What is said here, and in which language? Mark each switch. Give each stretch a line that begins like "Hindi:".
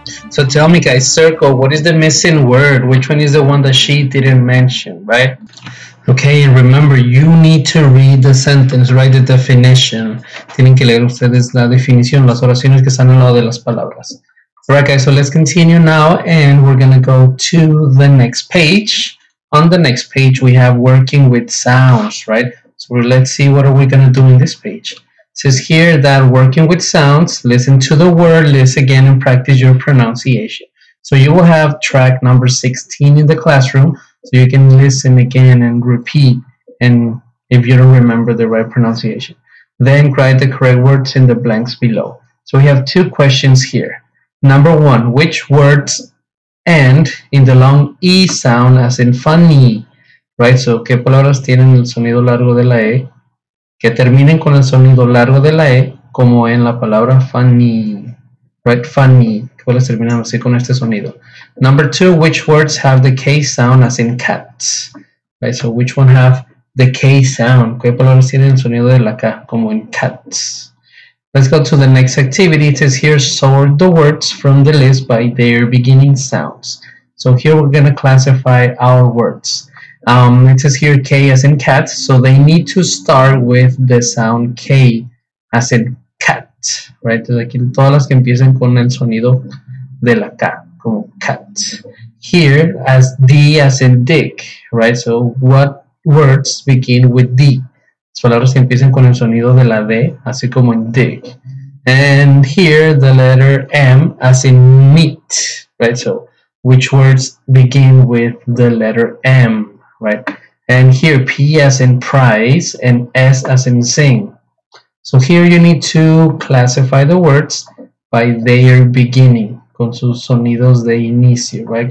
English: So tell me, guys, circle, what is the missing word? Which one is the one that she didn't mention, right? Okay, and remember, you need to read the sentence, write the definition.
Spanish: Tienen que leer ustedes la definición, las oraciones que están al lado de las palabras.
English: All right, guys, so let's continue now, and we're going to go to the next page. On the next page, we have working with sounds, right? So let's see what are we going to do in this page. It says here that working with sounds, listen to the word, listen again, and practice your pronunciation. So you will have track number 16 in the classroom. So you can listen again and repeat, and if you don't remember the right pronunciation, then write the correct words in the blanks below. So we have two questions here. Number one, which words end in the long E sound as in funny, right?
Spanish: So, ¿qué palabras tienen el sonido largo de la E? Que terminen con el sonido largo de la E, como en la palabra funny, right? Funny. ¿Cuáles terminan así con este sonido?
English: Number two, which words have the K sound as in cats? Right, so which one have the K sound.
Spanish: ¿Qué palabras tienen el sonido de la K? Como en cats.
English: Let's go to the next activity. It says here, sort the words from the list by their beginning sounds. So here we're going to classify our words. It says here, K as in cat. So they need to start with the sound K as in cat, right?
Spanish: Entonces aquí todas las que empiecen con el sonido de la K, como cat.
English: Here, as D as in dick, right? So what words begin with D?
Spanish: Las palabras que empiecen con el sonido de la D, así como en dick.
English: And here, the letter M as in meat, right? So which words begin with the letter M? Right, and here P as in price and S as in sing. So here you need to classify the words by their beginning,
Spanish: con sus sonidos de inicio,
English: right?